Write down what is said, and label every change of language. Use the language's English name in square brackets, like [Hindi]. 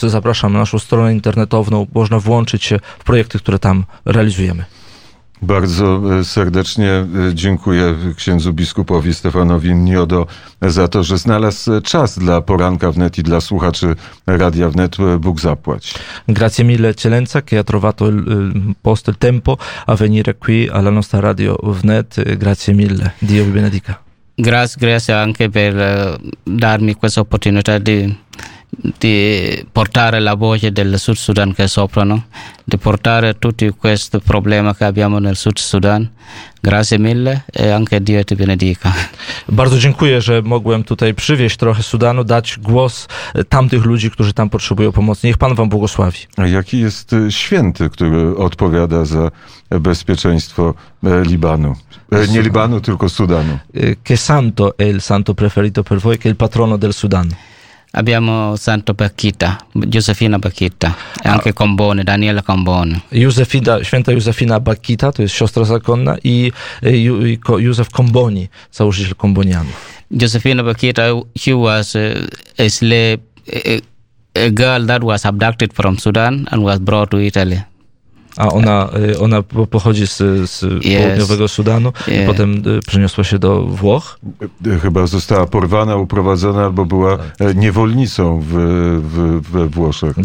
[Polish] Zapraszam na naszą stronę internetową. Można włączyć się w projekty, które tam realizujemy. Bardzo serdecznie dziękuję księdzu biskupowi Stefanowi Niodo za to, że znalazł czas dla Poranka Wnet i dla słuchaczy Radia Wnet. Bóg zapłać. [Italian] Grazie mille, eccellenza, che ha trovato il posto, il tempo a venire qui alla nostra Radio Wnet. Grazie mille. Dio vi benedica. Grazie anche per darmi questa opportunità di portare la voce del Sud Sudan che soffrono, di portare tutti questi problemi che abbiamo nel Sud Sudan. Grazie mille e anche Dio ti benedica. [Polish] Bardzo dziękuję, że mogłem tutaj przywieźć trochę Sudanu, dać głos tamtych ludzi, którzy tam potrzebują pomocy. Niech Pan wam błogosławi. A jaki jest święty, który odpowiada za bezpieczeństwo Libanu? Nie Libanu, tylko Sudanu. [Italian] Che santo è il santo preferito per voi, che il patrono del Sudan? Abbiamo Santo Bacchita, Giusefina Bacchita, e anche Combone, Daniela Combone. [Polish] Święta Giusefina Bacchita, to jest siostra zakonna, i Józef Comboni, założyciel Combonianów. [English] Giusefina Bacchita, she was a slave, a girl that was abducted from Sudan and was brought to Italy. [Polish] A ona pochodzi z [English] yes. [Polish] południowego Sudanu, [English] yeah. [Polish] I potem przeniosła się do Włoch. Chyba została porwana, uprowadzona, bo była tak. niewolnicą we Włoszech.